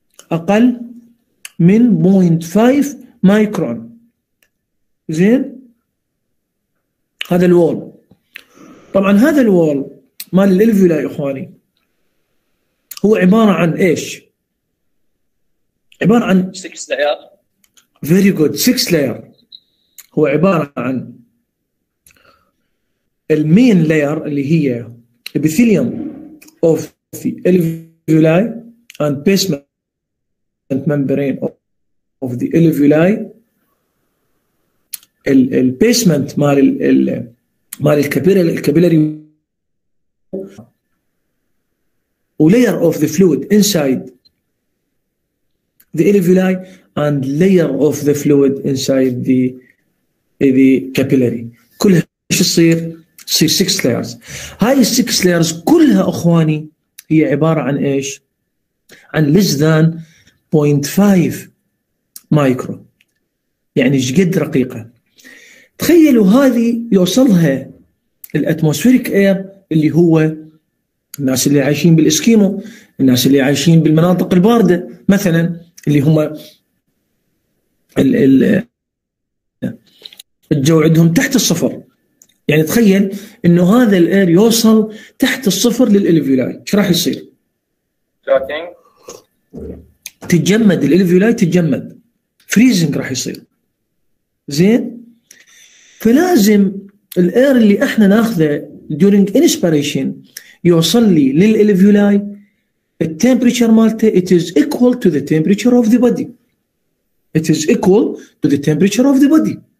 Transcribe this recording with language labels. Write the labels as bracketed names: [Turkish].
[Arabic] أقل من 0.5 مايكرون. زين؟ هذا الوول. طبعاً هذا الوول مال الإلفيولا يا إخواني هو عبارة عن إيش؟ عبارة عن [English] 6 layer. Very good. 6 layer. [Arabic] هو عبارة عن المين لاير اللي هي [English] epithelium of the alveoli and basement membrane of the alveoli. [Arabic] ال basement مال مال الكابيلاري [English] ولاير of the fluid inside the alveoli and layer of the fluid inside the capillary. [Arabic] كل ايش يصير؟ سي 6 layers. هاي ال 6 layers كلها اخواني هي عبارة عن ايش؟ عن less than 0.5 مايكرو، يعني ايش قد رقيقة. تخيلوا هذه يوصلها الاتموسفيريك اير اللي هو الناس اللي عايشين بالاسكيمو، الناس اللي عايشين بالمناطق الباردة مثلا اللي هم الجو عندهم تحت الصفر. يعني تخيل انه هذا الاير يوصل تحت الصفر للالفيولاي، ايش راح يصير؟ تتجمد الالفيولاي، تتجمد فريزنج راح يصير. زين؟ فلازم الاير اللي احنا ناخذه during inspiration يوصل لي للالفيولاي التمبريتشر مالته [English] it is equal to the temperature of the body. It is equal to the temperature of the body.